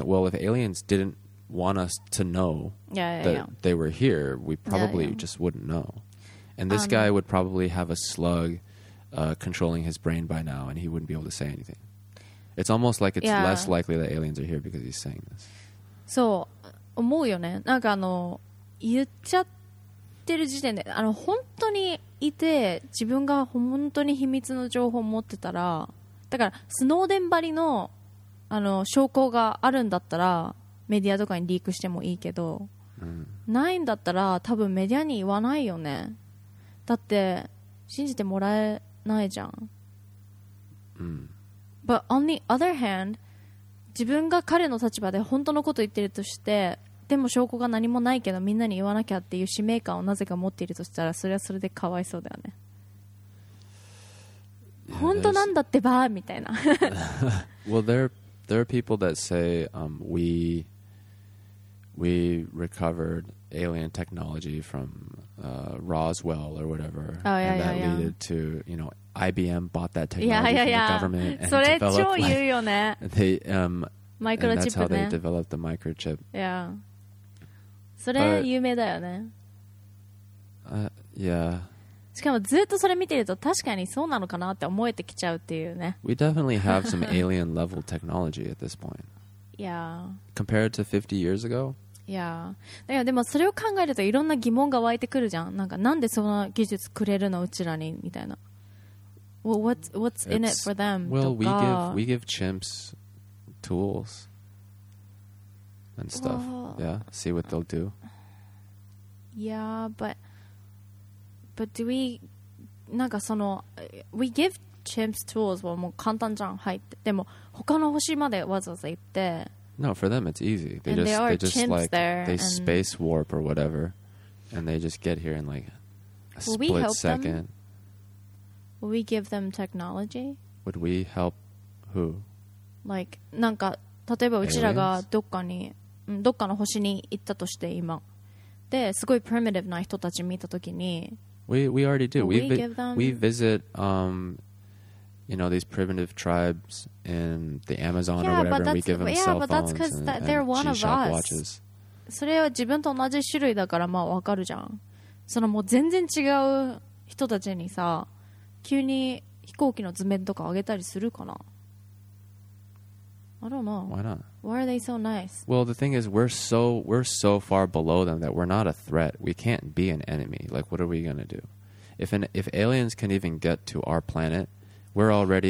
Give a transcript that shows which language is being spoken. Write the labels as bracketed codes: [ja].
[en] Well, if aliens didn't want us to know that they were here, we probably just wouldn't know. And this guy would probably have a slug controlling his brain by now, and he wouldn't be able to say anything. It's almost like it's less likely that aliens are here because he's saying this. [ja] So, 思うよね。なんかあの、言っちゃってる時点で、あの、本当にいて、自分が本当に秘密の情報を持ってたら、だから、スノーデンばりの、あの、証拠があるんだったら、メディアとかにリークしてもいいけど、ないんだったら、多分メディアに言わないよね。だって、信じてもらえないじゃん。 [en] But on the other hand、 [ja] 自分が彼の立場で本当のこと言ってるとして、でも証拠が何もないけどみんなに言わなきゃっていう使命感をなぜか持っているとしたら、それはそれでかわいそうだよね。 [en] Yeah, [ja] 本当なんだってばーみたいな。 [en] Well, there are people that say、we recovered alien technology from、Roswell or whatever、 and that led to, you know,IBM bought that technology from the government and [ja] それ超言うよね。マイクロチップね。 [en] That's how they developed the microchip. [ja] Yeah. それ有名だよね。 [en] Yeah. [ja] しかもずっとそれ見てると確かにそうなのかなって思えてきちゃうっていうね。 [en] We definitely have some alien level technology at this point. Yeah. Compared to 50 years ago? Yeah. [ja] だからでもそれを考えるといろんな疑問が湧いてくるじゃん。なんかなんでその技術くれるのうちらにみたいな。 [en] Well, what's in it for them? Well, we give chimps tools and stuff. Well, yeah, see what they'll do. Yeah, but do we? [ja] なんかその [en] we give chimps tools [ja] はもう簡単じゃん。はい。でも他の星までわざわざ行って。 [en] No, for them it's easy. They and just there are they just chimps like there, they space warp or whatever, and they just get here in like a split second. Them? Would we give them technology? Would we help who? [ja] Like, なんか例えばうちらがどっかに、どっかの星に行ったとして今、で、すごいprimitiveな人たち見たときに、 [en] We already do. We give them. We visit, you know, these primitive tribes in the Amazon or whatever, and we give them cell phones. Yeah, but that's because they're one of us. [ja] それは自分と同じ種類だからまあわかるじゃん。そのもう全然違う人たちにさ。急に飛行機の図面とかあげたりするかな? [en] I don't know. Why not? Why are they so nice? Well, the thing is, we're so far below them that we're not a threat. We can't be an enemy. Like, what are we going to do? If aliens can even get to our planet, we're already